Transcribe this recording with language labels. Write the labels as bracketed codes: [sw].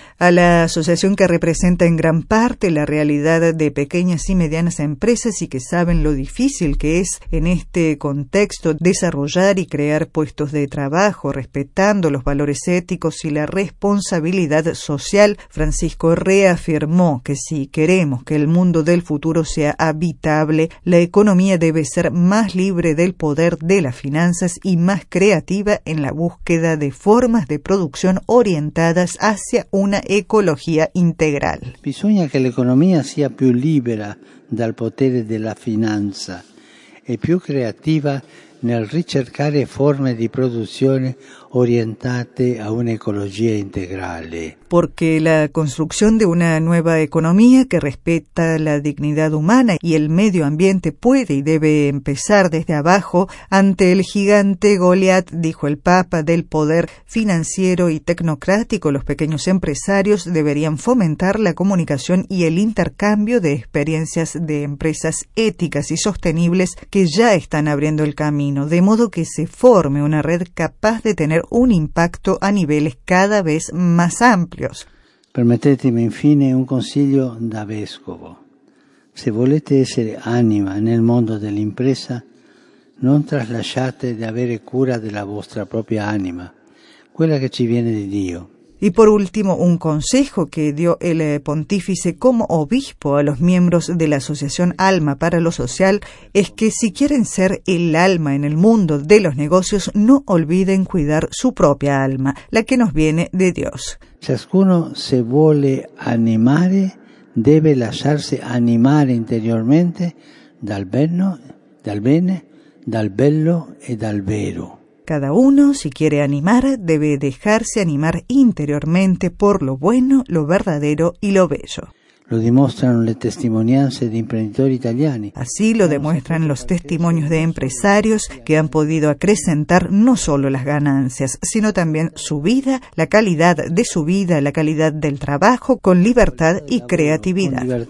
[es] a la asociación que representa en gran parte la realidad de pequeñas y medianas empresas y que saben lo difícil que es en este contexto desarrollar y crear puestos de trabajo respetando los valores éticos y la responsabilidad social, Francisco reafirmó que si queremos que el mundo del futuro sea habitable, la economía debe ser más libre del poder de las finanzas y más creativa en la búsqueda de formas de producción orientadas hacia una ecología integral. [it] Bisogna que la economía sea più libera dal potere della finanza e più creativa nel ricercare forme di produzione orientate a un'ecologia integrale. [es] Porque la construcción de una nueva economía que respeta la dignidad humana y el medio ambiente puede y debe empezar desde abajo ante el gigante Goliat, dijo el Papa, del poder financiero y tecnocrático. Los pequeños empresarios deberían fomentar la comunicación y el intercambio de experiencias de empresas éticas y sostenibles que ya están abriendo el camino, de modo que se forme una red capaz de tener un impacto a niveles cada vez más amplios. [it] Permettetemi infine un consiglio da vescovo. Se volete essere anima nel mondo dell'impresa, non traslasciate di avere cura della vostra propria anima, quella che ci viene di Dio. [es] Y por último, un consejo que dio el pontífice como obispo a los miembros de la Asociación Alma para lo Social es que si quieren ser el alma en el mundo de los negocios, no olviden cuidar su propia alma, la que nos viene de Dios. [it] Ciascuno se vuole animare, debe lasciarse animare interiormente dal bene, dal bello e dal vero. [es] Cada uno, si quiere animar, debe dejarse animar interiormente por lo bueno, lo verdadero y lo bello. [it] Lo dimostrano le testimonianze di imprenditori italiani. [es] Así lo demuestran los testimonios de empresarios que han podido acrecentar no solo las ganancias, sino también su vida, la calidad de su vida, la calidad del trabajo con libertad y creatividad.